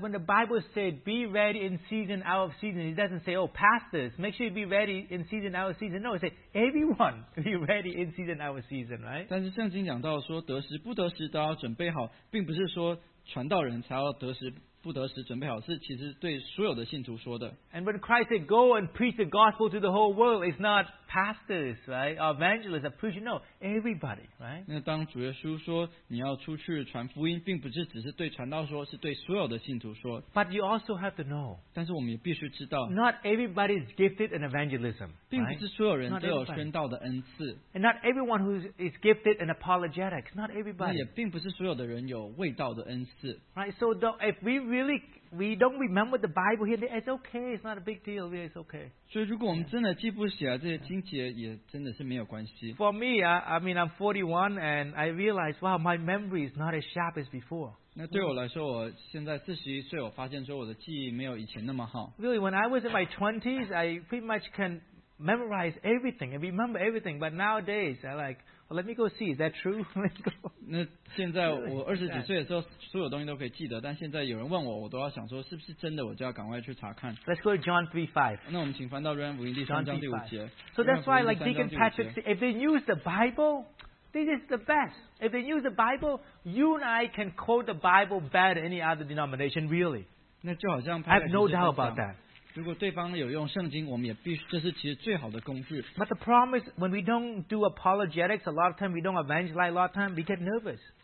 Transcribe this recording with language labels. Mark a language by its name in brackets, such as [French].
[English] when the Bible said be ready in season out of season, it doesn't say, oh, pastors, make sure you be ready in season out of season. No, it says everyone be ready in season out of season, right? [Chinese] 但是圣经讲到说得时不得时都要准备好，并不是说传道人才要得时不得时准备好，是其实对所有的信徒说的。 [English] And when Christ said go and preach the gospel to the whole world, it's not pastors, right? Or evangelists are preaching. No, everybody, right? [Chinese] 那当主耶稣说你要出去传福音，并不是只是对传道说，是对所有的信徒说。 [English] But you also have to know. [Chinese] 但是我们也必须知道。 [English] Not everybody is gifted in evangelism, right? [Chinese] 并不是所有人都有宣道的恩赐。 [English] And not everyone who is gifted in apologetics, not everybody. [Chinese] 那也并不是所有的人有卫道的恩赐。 [English] Right, so if we don't remember the Bible here, then it's okay, it's not a big deal, it's okay. [Chinese] 所以如果我们真的记不起来这些经节，也真的是没有关系。 [English] For me, I mean, I'm 41, and I realize, wow, my memory is not as sharp as before. [Chinese] 那对我来说，我现在41岁，我发现说我的记忆没有以前那么好。 [English] Really, when I was in my 20s, I pretty much can memorize everything and remember everything, but nowadays, I like, Let me go see. Is that true? Let's go. [Chinese] 那现在我二十几岁的时候，所有东西都可以记得。但现在有人问我，我都要想说是不是真的，我就要赶快去查看。 [English] Let's go to John 3:5. [Chinese] 那我们请翻到约翰福音第三章第五节。 [English] So that's why, like Deacon Patrick, if they use the Bible, this is the best. If they use the Bible, you and I can quote the Bible better than any other denomination, really. [Chinese] 那就好像Patrick, [English] I have no doubt about that. [Chinese] 如果对方有用圣经，我们也必须，这是其实最好的工具。 [English] But the problem is, when we don't do apologetics a lot of time, we don't evangelize a lot of time, we get nervous.